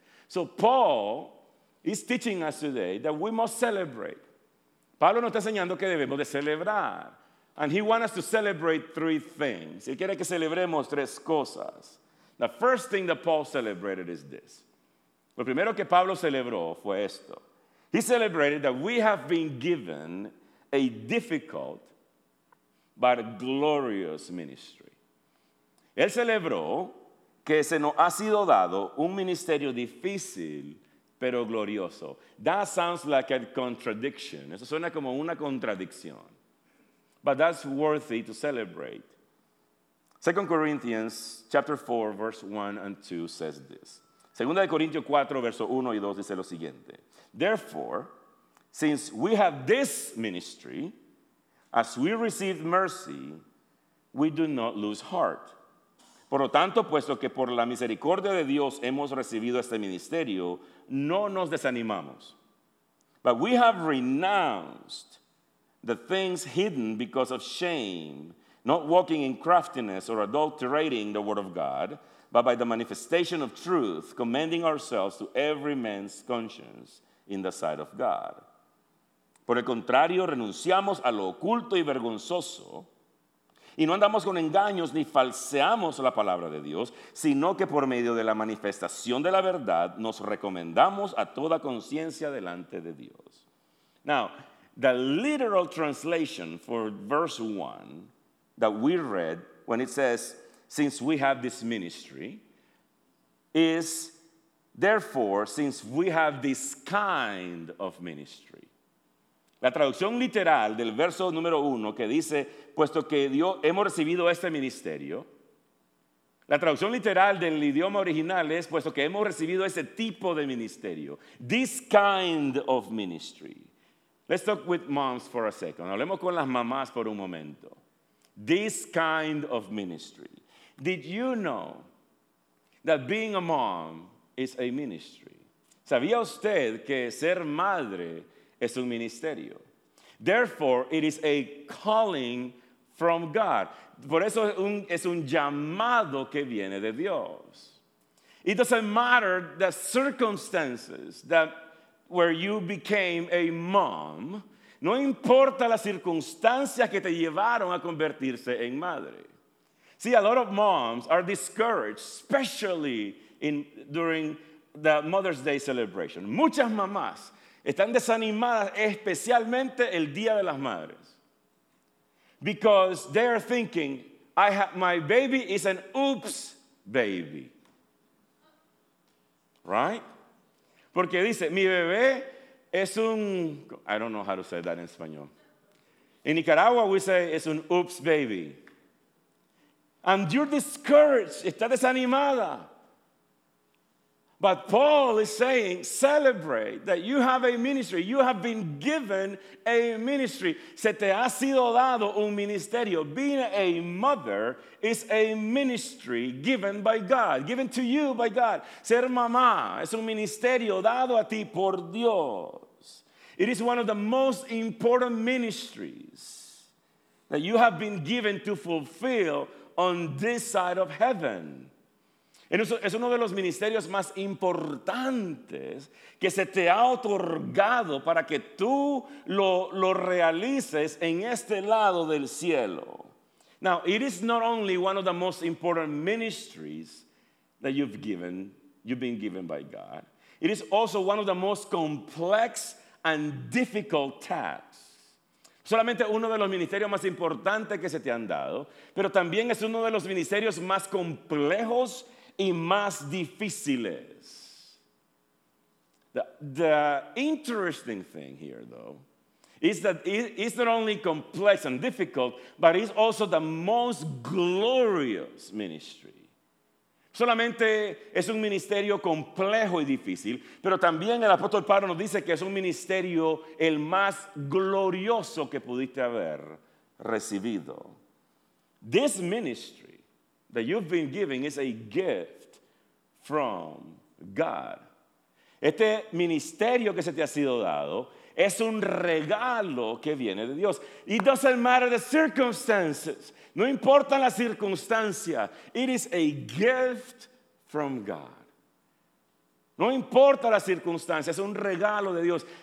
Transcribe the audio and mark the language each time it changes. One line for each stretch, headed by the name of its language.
English: So Paul is teaching us today that we must celebrate.
Spanish: Pablo nos está enseñando que debemos de celebrar.
English: And he wants us to celebrate three things.
Spanish: Él quiere que celebremos tres cosas.
English: The first thing that Paul celebrated is this.
Spanish: Lo primero que Pablo celebró fue esto.
English: He celebrated that we have been given a difficult but glorious ministry.
Spanish: Él celebró que se nos ha sido dado un ministerio difícil pero glorioso.
English: That sounds like a contradiction.
Spanish: Eso suena como una contradicción.
English: But that's worthy to celebrate. 2 Corinthians chapter 4, verse 1 and 2 says this.
Spanish: 2 Corinthians 4, verse 1 y 2 dice lo siguiente.
English: Therefore, since we have this ministry, as we receive mercy, we do not lose heart.
Spanish: Por lo tanto, puesto que por la misericordia de Dios hemos recibido este ministerio, no nos desanimamos.
English: But we have renounced the things hidden because of shame, not walking in craftiness or adulterating the word of God, but by the manifestation of truth, commending ourselves to every man's conscience in the sight of God.
Spanish: Por el contrario, renunciamos a lo oculto y vergonzoso y no andamos con engaños ni falseamos la palabra de Dios, sino que por medio de la manifestación de la verdad nos recomendamos a toda conciencia delante de Dios.
English: Now, the literal translation for verse 1 that we read when it says, since we have this ministry, is therefore, since we have this kind of ministry.
Spanish: La traducción literal del verso número 1 que dice, puesto que Dios hemos recibido este ministerio. La traducción literal del idioma original es, puesto que hemos recibido ese tipo de ministerio.
English: This kind of ministry. Let's talk with moms for a second.
Spanish: Hablemos con las mamás por un momento.
English: This kind of ministry. Did you know that being a mom is a ministry?
Spanish: ¿Sabía usted que ser madre es un ministerio?
English: Therefore, it is a calling from God.
Spanish: Por eso es un llamado que viene de Dios.
English: It doesn't matter the circumstances that where you became a mom.
Spanish: No importa las circunstancias que te llevaron a convertirse en madre.
English: See, a lot of moms are discouraged, especially during the Mother's Day celebration.
Spanish: Muchas mamás están desanimadas, especialmente el Día de las Madres.
English: Because they are thinking, my baby is an oops baby. Right?
Spanish: Porque dice, mi bebé es un,
English: I don't know how to say that in español. In Nicaragua we say,
Spanish: es un
English: oops baby. And you're discouraged,
Spanish: está desanimada.
English: But Paul is saying, celebrate that you have a ministry. You have been given a ministry.
Spanish: Se te ha sido dado un ministerio.
English: Being a mother is a ministry given by God, given to you by God.
Spanish: Ser mamá es un ministerio dado a ti por Dios.
English: It is one of the most important ministries that you have been given to fulfill on this side of heaven.
Spanish: Es uno de los ministerios más importantes que se te ha otorgado para que tú lo realices en este lado del cielo.
English: Now, it is not only one of the most important ministries that you've been given by God. It is also one of the most complex and difficult tasks.
Spanish: Solamente uno de los ministerios más importantes que se te han dado, pero también es uno de los ministerios más complejos y más difíciles.
English: The interesting thing here, though, is that it's not only complex and difficult, but it's also the most glorious ministry.
Spanish: Solamente es un ministerio complejo y difícil, pero también el apóstol Pablo nos dice que es un ministerio el más glorioso que pudiste haber recibido.
English: This ministry that you've been given is a gift from God.
Spanish: Este ministerio que se te ha sido dado es un regalo que viene de Dios.
English: It doesn't matter the circumstances.
Spanish: No importan las circunstancias.
English: It is a gift from God.
Spanish: No importa las circunstancias, es un regalo de Dios.